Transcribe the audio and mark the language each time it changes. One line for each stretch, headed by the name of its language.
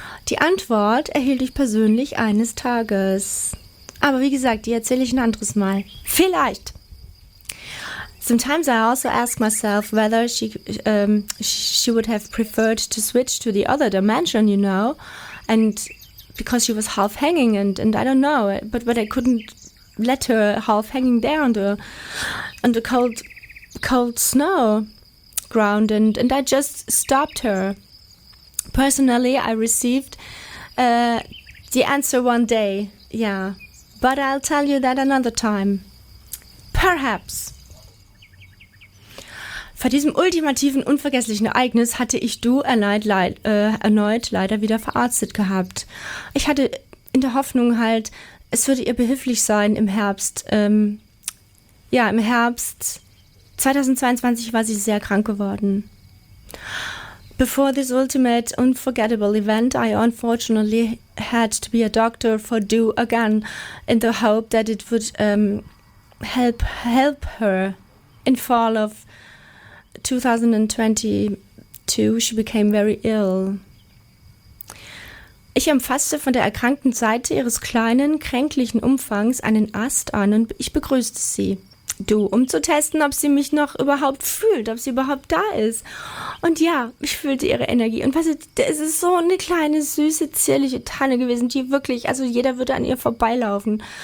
German: Die Antwort erhielt ich persönlich eines Tages. Aber wie gesagt, die erzähle ich ein anderes Mal. Vielleicht.
English: Sometimes I also ask myself whether she would have preferred to switch to the other dimension, you know, and because she was half hanging and I don't know, but I couldn't let her half hanging there under cold snow ground, and I just stopped her. Personally, I received the answer one day, yeah, but I'll tell you that another time, perhaps.
German: Vor diesem ultimativen, unvergesslichen Ereignis hatte ich Du erneut leider wieder verarztet gehabt. Ich hatte in der Hoffnung halt, es würde ihr behilflich sein im Herbst. Im Herbst 2022 war sie sehr krank geworden.
English: Before this ultimate, unforgettable event, I unfortunately had to be a doctor for Du again, in the hope that it would help her in fall of 2022, she became very ill.
German: Ich umfasste von der erkrankten Seite ihres kleinen, kränklichen Umfangs einen Ast an und ich begrüßte sie. Du, um zu testen, ob sie mich noch überhaupt fühlt, ob sie überhaupt da ist. Und ja, ich fühlte ihre Energie. Und weißt du, das ist so eine kleine, süße, zierliche Tanne gewesen, die wirklich, also jeder würde an ihr vorbeilaufen.